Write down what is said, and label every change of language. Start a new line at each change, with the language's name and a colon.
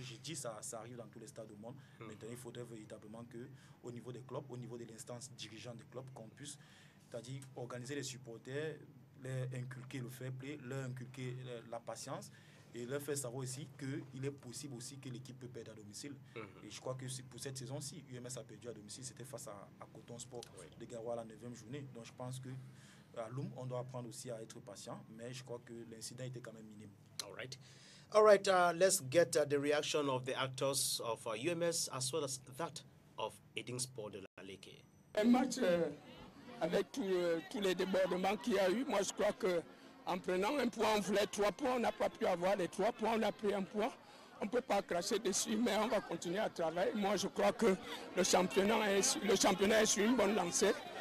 French: J'ai dit ça arrive dans tous les stades du monde. Mmh. Maintenant, il faudrait véritablement qu'au niveau des clubs, au niveau de l'instance dirigeante des clubs, qu'on puisse, c'est-à-dire organiser les supporters, leur inculquer le fair play, leur inculquer la patience et leur faire savoir aussi qu'il est possible aussi que l'équipe peut perdre à domicile. Mmh. Et je crois que pour cette saison-ci, UMS a perdu à domicile. C'était face à Coton Sport oui. de Garoua la 9e journée. Donc je pense que à Loom, on doit apprendre aussi à être patient, mais je crois que l'incident était quand même minime.
English: All right. Let's get the reaction of the actors of UMS as well as that of Eddingsport de la Leke.
French: Un match avec tous les débordements qu'il y a eu, moi je crois qu'en prenant un point, on voulait 3 points, on n'a pas pu avoir les 3 points, on a pris un point. On ne peut pas cracher dessus, mais on va continuer à travailler. Moi je crois que le championnat est sur une bonne lancée.